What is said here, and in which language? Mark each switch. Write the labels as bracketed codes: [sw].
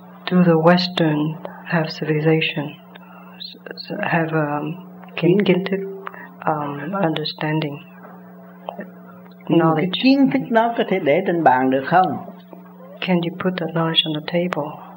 [en] Do the Western have civilization, have kiến thức, understanding, knowledge? [vi] Kiến thức đó có thể để trên bàn được không? [en] Can you put the knowledge on the table?